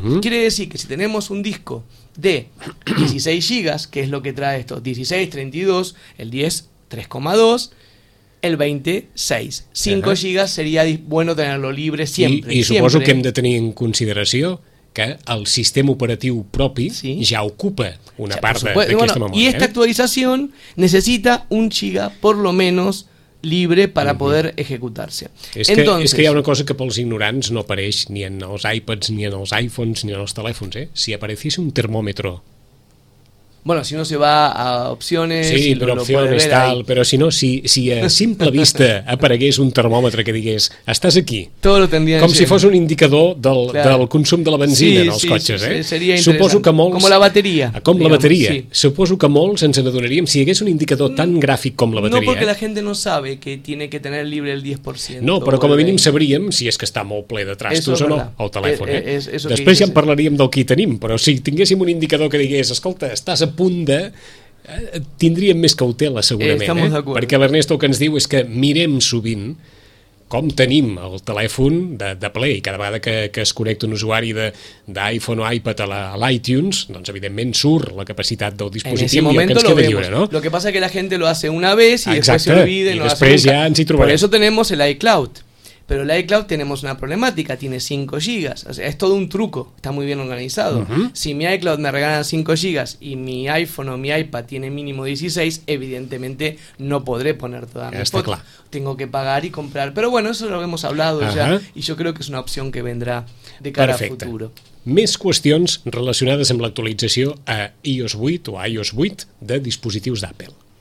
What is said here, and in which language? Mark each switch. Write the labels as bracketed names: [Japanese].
[Spanish] Quiere decir que si tenemos un disco de 16 GB, que es lo que trae esto, 16, 32, el 10, 3,2, el 20, 6. 5 GB sería bueno tenerlo libre siempre. [Catalan] I suposo que hem de tenir en consideració que el sistema operatiu propi ja ocupa una part d'aquesta memòria. [Spanish] Y esta actualización necesita 1 GB por lo menos libre para poder ejecutarse. [Catalan] És que hi ha una cosa que pels ignorants no apareix ni en els iPads, ni en els iPhones, ni en els telèfons. Si apareixés un termòmetre [Spanish] Bueno, si uno se va a opciones... Sí, si [Catalan] però opciones, tal, però si no, si a simple vista aparegués un termòmetre que digués estàs aquí, [Spanish] tot lo tendrían [Catalan] com si fos un indicador del consum de la benzina en els cotxes. Sí, eh? Seria interessant. Com la bateria. Com la bateria. Sí. Suposo que molts ens n'adonaríem si hi hagués un indicador tan gràfic com la bateria. [Spanish] No, [Catalan] perquè la gent [Spanish] no sabe que tiene que tener libre el 10%. [Catalan] No, però com a mínim sabríem si és que està molt ple de trastos [Spanish] eso [Catalan] o no, o el telèfon. Eh? [Spanish] Eso [Catalan] després ja en parlaríem del que hi tenim, però si tinguéssim un indicador que digués, escolta, estàs a punt de... tindríem més cautela, segurament. Perquè l'Ernesto el que ens diu és que mirem sovint com tenim el telèfon de ple, i cada vegada que es connecta un usuari d'iPhone o iPad a l'iTunes, doncs evidentment surt la capacitat del dispositiu i el que ens queda lliure. No? [Spanish] Lo que pasa es que la gente lo hace una vez y después se olvida. [Catalan] I després ja ens hi trobarem. [Spanish] Por eso tenemos el iCloud. Pero el iCloud tenemos una problemática, tiene 5 GB, o sea, es todo un truco, está muy bien organizado. Si mi iCloud me regalan 5 GB y mi iPhone o mi iPad tiene mínimo 16, evidentemente no podré poner toda mi foto. Claro. Tengo que pagar y comprar, pero bueno, eso lo hemos hablado ya, y yo creo que es una opción que vendrá de cara [Catalan] Perfecte. [Spanish] A futuro. [Catalan] Més qüestions relacionades amb l'actualització a iOS 8 o iOS 8 de dispositius d'Apple.